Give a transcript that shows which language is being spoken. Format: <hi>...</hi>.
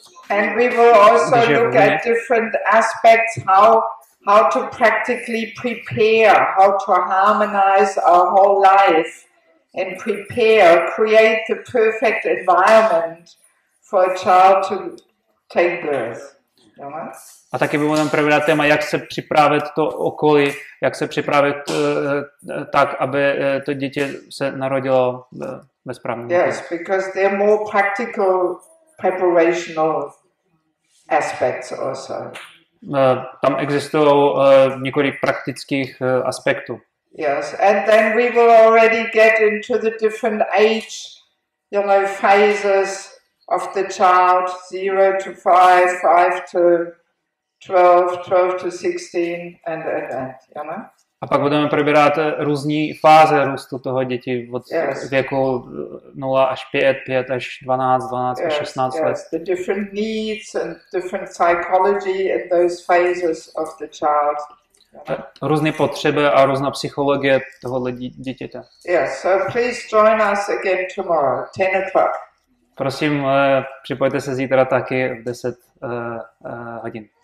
<en>And we will also look at different aspects how to practically prepare, how to harmonize our whole life and prepare, create the perfect environment for a child to take birth.</en> <cs>A taky budeme probírat téma, jak se připravit to okolí, jak se připravit tak, aby to dítě se narodilo ve správném.</cs> <en>Yes, because they're more practical preparational aspects also.</en> <cs>Tam existují několik praktických aspektů.</cs> <en>Yes, and then we will already get into the different age, you know, phases of the child, 0 to 5, 5 to 12, 12 to 16, and at that, you know.</en> <cs>A pak budeme probírat různé fáze růstu toho děti od yes. věku 0 až 5, 5 až 12, 12</cs> <en>yes,</en> <cs>až 16</cs> <en>yes.</en> <cs>let.</cs> <en>The different needs and different psychology in those phases of the child.</en> <cs>Různé potřeby a různá psychologie toho dítěte.</cs> <en>Yes, so please join us again tomorrow, 10 o'clock.</en> <cs>Prosím, připojte se zítra taky v 10 hodin.</cs>